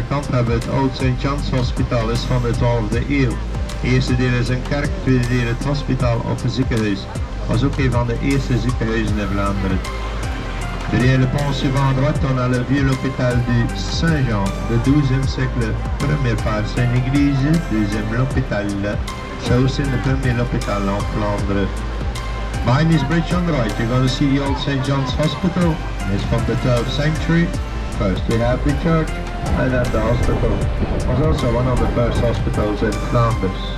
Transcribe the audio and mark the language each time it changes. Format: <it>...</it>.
<nl>Hebben het oud Sint-Jans Hospitaal is van de 12e eeuw. Eerste deel is een kerk, tweede deel het hospitaal of een ziekenhuis. Was ook een van de eerste ziekenhuizen in Vlaanderen.</nl> <fr>De réel pont suivant droit, on a le vieux hôpital du Saint-Jean, de 12e siècle, première part Saint-Église, deuxième l'hôpital. C'est aussi le premier hôpital en Flandre.</fr> <en>By this bridge on the right, you're going to see the old Sint-Jans Hospital. It's from the 12th century. First we have the church. And at the hospital. It was also one of the first hospitals in Flanders.</en>